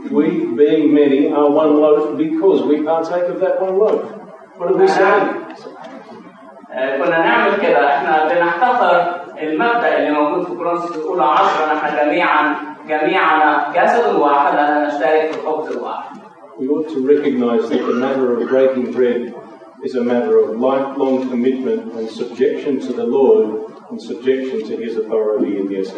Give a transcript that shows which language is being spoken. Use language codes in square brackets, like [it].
[en] We, being many, are one loaf because we partake of that one loaf. What are we saying? [ar] كنا نعمل كده، إحنا بنحتفظ المبدأ اللي موجود في كورنثوس الأولى 10، نحن جميعنا جسد واحد، أنا نشترك في الخبز الواحد. [en] We ought to recognize that the matter of breaking bread is a matter of lifelong commitment and subjection to the Lord and subjection to His authority in the